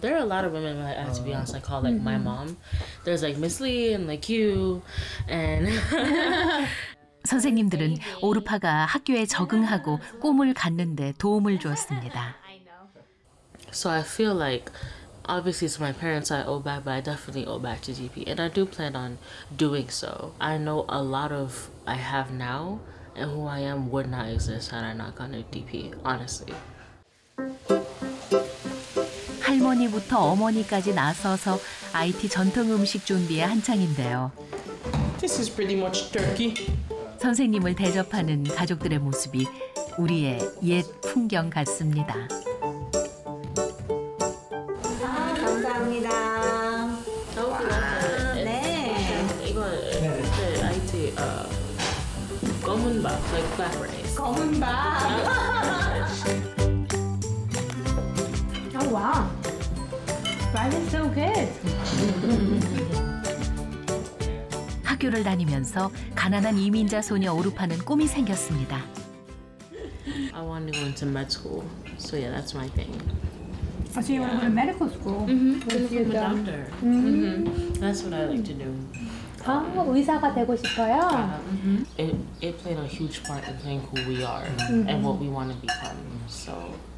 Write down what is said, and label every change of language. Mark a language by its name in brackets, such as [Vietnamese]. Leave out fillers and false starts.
[English] There are a lot of women that, to be honest, I call like my mom. There's like Miss Lee and like you and [Korean] 선생님들은 오르파가 학교에 적응하고 꿈을 갖는 데 도움을 주었습니다. [English] So I feel like obviously, to my parents, I owe back, but I definitely owe back to GP, and I do plan on doing so. I know a lot of I have now, and who I am would not exist had I not gone to GP, honestly. [Korean] 할머니부터 어머니까지 나서서 IT 전통 음식 준비에 한창인데요. [English] This is pretty much turkey. [Korean] 선생님을 대접하는 가족들의 모습이 우리의 옛 풍경 같습니다. 검은 밥, [English] like black rice. [Korean] 검은 밥. [English] Oh wow, rice is so good. [Korean] 학교를 다니면서 가난한 이민자 소녀 오르파는 꿈이 생겼습니다. [English] I want to go into med school, so yeah, that's my thing. I see you want to go to medical school. Mm-hmm. Want to be a doctor. Mm-hmm. That's what I like to do. [Korean] 의사가 되고 싶어요. [English] It played a huge part in playing who we are mm-hmm. and what we want to become. So,